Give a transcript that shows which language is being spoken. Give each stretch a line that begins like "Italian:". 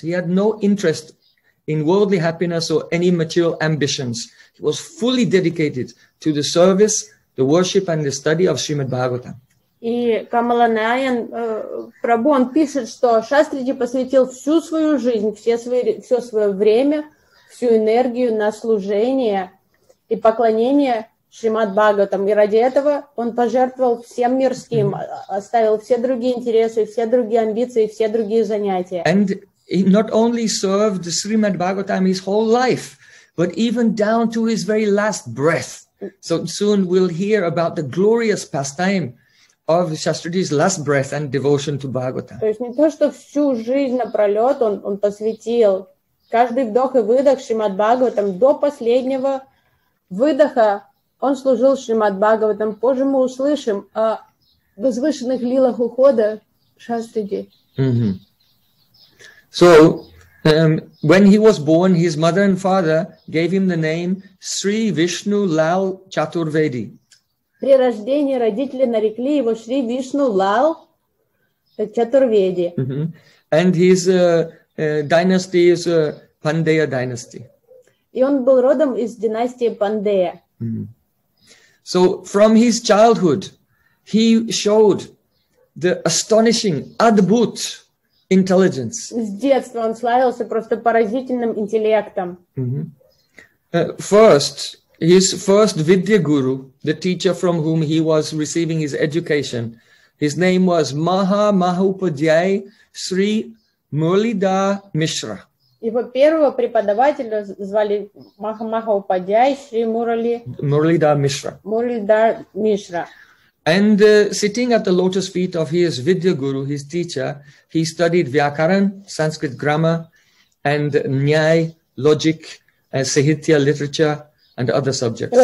English: He had no interest in worldly happiness or any material ambitions. He was fully dedicated to the service, the worship, and the study of Srimad Bhagavatam.
Russian: И Камала Найан Прабху, он пишет, что Шастриджи посвятил всю свою жизнь, все свое время, всю энергию на служение и поклонение Шримад Бхагаватам. И ради этого он пожертвовал всем мирским, оставил все другие интересы, все другие амбиции, все другие занятия.
English: And he not only served the Srimad Bhagavatam his whole life, but even down to his very last breath. So soon we'll hear about the glorious pastime of Shastriji's last breath and devotion to Bhagavatam.
Russian: То есть не то, что всю жизнь напролет он посвятил каждый вдох и выдох Шримад Бхагаватам, до последнего выдоха он служил Шримад Бхагаватам. Позже мы услышим о возвышенных лилах ухода Шастриджи. Mm-hmm.
English: So, when he was born, his mother and father gave him the name Sri Vishnu Lal Chaturvedi.
Russian: При рождении родители нарекли его Шри Вишну Лал Чатурведи.
English: Mm-hmm. And his dynasty is Пандея dynasty.
Russian: И он был родом из династии Пандея. Mm-hmm.
English: So from his childhood, he showed the astonishing, adbhut intelligence.
Russian: С детства он славился просто поразительным интеллектом.
English: Mm-hmm. First, his first Vidya Guru, the teacher from whom he was receiving his education, his name was Maha Mahupadhyay Sri Murlida Mishra.
Russian: Его первого преподавателя звали Маха Махаупадьяй Шри Мурали. Мурлидар Мишра. Мурлидар Мишра.
English: And sitting at the lotus feet of his Vidya Guru, his teacher, he studied Vyakaran, Sanskrit grammar, and Nyay, logic, Sahitya, literature, and other subjects.